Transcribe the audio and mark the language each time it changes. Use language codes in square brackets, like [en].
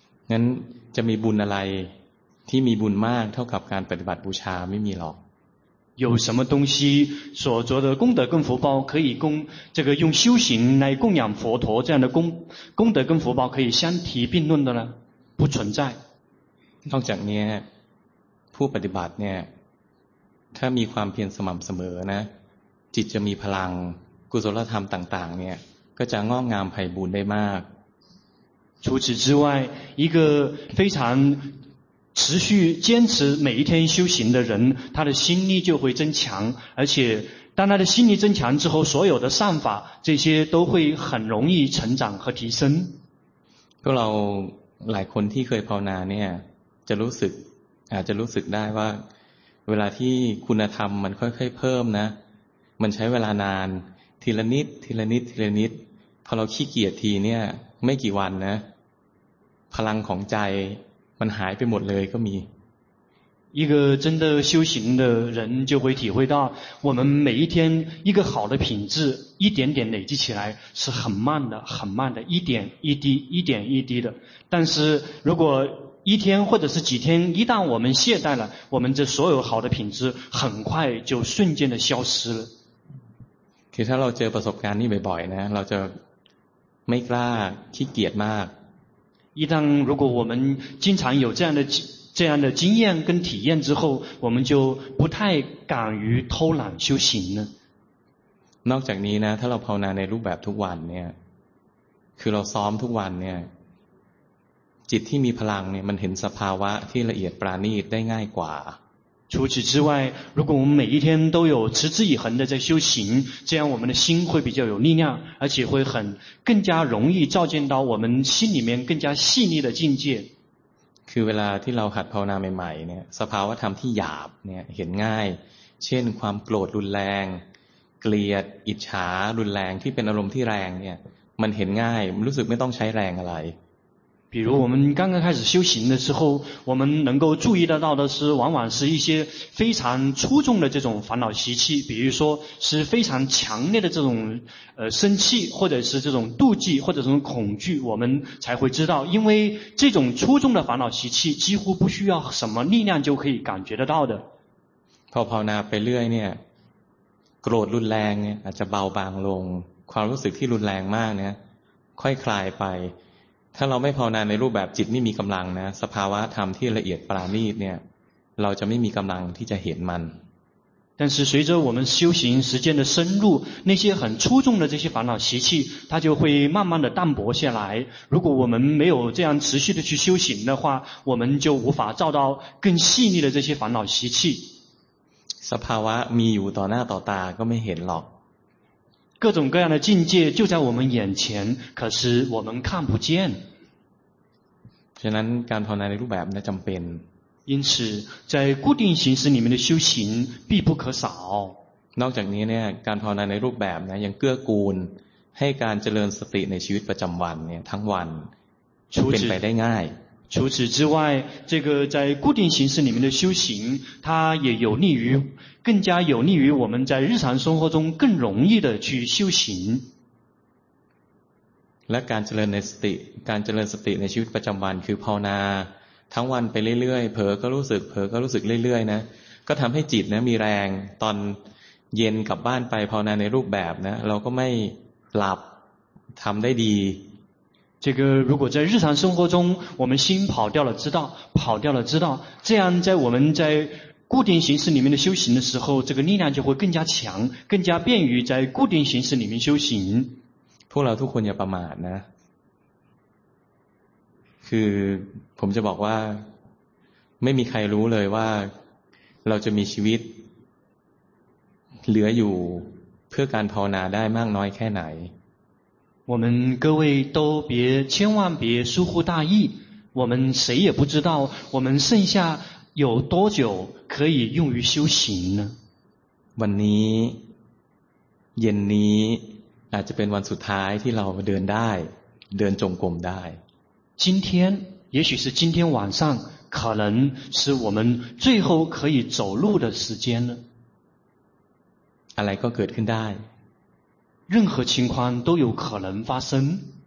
[th] งั้นจะมีบุญอะไรที่มีบุญมากเท่ากับการปฏิบัติบูชาไม่มีหรอก [zh] 有什么东西所着的功德跟福报可以供这个用修行来供养佛陀这样的 功德跟福报可以相提并论的呢不存在 [th] นอกจากนี้ผู้ปฏิบัติเนี่ยถ้ามีความเพียรสม่ำเสมอนะจิตจะมีพลังกุศลธรรมต่างๆเนี่ยก็จะงอกงามไพบูลย์ได้มาก [zh] 除此之外一个非常持续坚持每一天修行的人他的心力就会增强而且当他的心力增强之后所有的善法这些都会很容易成长和提升 [th] พวกเราหลายคนที่เคยภาวนาเนี่ยจะรู้สึกอาจจะรู้สึกได้ว่าเวลาที่คุณธรรมมันค่อยๆเพิ่มนะมันใช้เวลานานทีละนิดทีละนิดทีละนิดพอเราขี้เกียจทีเนี่ยไม่กี่วันนะพลังของใจมันหายไปหมดเลยก็มี [zh] 一个真的修行的人就会体会到我们每一天一个好的品质一点点累积起来是很慢的很慢的一点一滴一点一滴的但是如果一天或者是几天一旦我们懈怠了我们这所有好的品质很快就瞬间的消失了其实 [th] เราเจอประสบการณ์นี้บ่อยๆนะเราจะไม่กล้าขี้เกียจมาก [zh] 一旦如果我们经常有这样的经验跟体验之后我们就不太敢于偷懒修行了 [th] นอกจากนี้นะถ้าเราภาวนาในรูปแบบทุกวันเนี่ยคือเราซ้อมทุกวันเนี่ยจิตที่มีพลังเนี่ยมันเห็นสภาวะที่ละเอียดปราณีตได้ง่ายกว่า [zh] 除此之外如果我们每一天都有持之以恒的在修行这样我们的心会比较有力量而且会很更加容易照见到我们心里面更加细腻的境界 [th] คือเวลาที่เราหัดภาวนาใหม่ๆเนี่ยสภาวะธรรมที่หยาบเนี่ยเห็นง่ายเช่นความโกรธรุนแรงเกลียดอิจฉารุนแรงที่เป็นอารมณ์ที่แรงเนี่ยมันเห็นง่ายรู้สึกไม่ต้องใช้แรงอะไร [zh] 比如我们刚刚开始修行的时候我们能够注意得到的是往往是一些非常粗重的这种烦恼习气比如说是非常强烈的这种生气或者是这种妒忌或者这种恐惧我们才会知道因为这种粗重的烦恼习气几乎不需要什么力量就可以感觉得到的 [th] พอภาวนาไปเรื่อยเนี่ยโกรธรุนแรงเนี่ยอาจจะเบาบางลงความรู้สึกที่รุนแรงมากเนี่ยค่อยคลายไป ถ้าเราไม่ภาวนาในรูปแบบจิตไม่มีกำลังนะสภาวะธรรมที่ละเอียดปรานีตเนี่ยเราจะไม่มีกำลังที่จะเห็นมัน [zh] 但是随着我们修行时间的深入，那些很出众的这些烦恼习气，它就会慢慢的淡薄下来。如果我们没有这样持续的去修行的话，我们就无法照到更细腻的这些烦恼习气。 [th] สภาวะมีอยู่ต่อหน้าต่อตาก็ไม่เห็นหรอก。 [zh] 各种各样的境界就在我们眼前，可是我们看不见。 [th] ฉะนั้นการภาวนาในรูปแบบนี้จำเป็น。 [zh] 因此在固定形式里面的修行必不可少 [th] นอกจากนี้เนี่ยการภาวนาในรูปแบบนะยังเกื้อกูลให้การเจริญสติในชีวิตประจำวันเนี่ยทั้งวันเป็นไปได้ง่าย [zh] 除此之外这个在固定形式里面的修行它也有利于更加有利于我们在日常生活中更容易的去修行 [th] และการเจริญในสติการเจริญสติในชีวิตประจำวันคือภาวนาทั้งวันไปเรื่อยๆเผลอก็รู้สึกเผลอก็รู้สึกเรื่อยๆนะก็ทำให้จิตนะมีแรงตอนเย็นกลับบ้านไปภาวนาในรูปแบบนะเราก็ไม่หลับทำได้ดี [zh] 这个如果在日常生活中我们心跑掉了知道跑掉了知道这样在我们在固定形式里面的修行的时候这个力量就会更加强更加便于在固定形式里面修行 [th] พวกเราทุกคนอย่าประมาทนะคือผมจะบอกว่าไม่มีใครรู้เลยว่าเราจะมีชีวิตเหลืออยู่เพื่อการภาวนาได้มากน้อยแค่ไหน [zh] 我们各位都别千万别疏忽大意我们谁也不知道我们剩下有多久可以用于修行呢 [th] วันนี้เย็นนี้อาจจะเป็นวันสุดท้ายที่เราเดินได้เดินจงกรมได้ [zh] 今天也许是今天晚上可能是我们最后可以走路的时间了 [th] อะไรก็เกิดขึ้นได้ [zh] 任何情况都有可能发生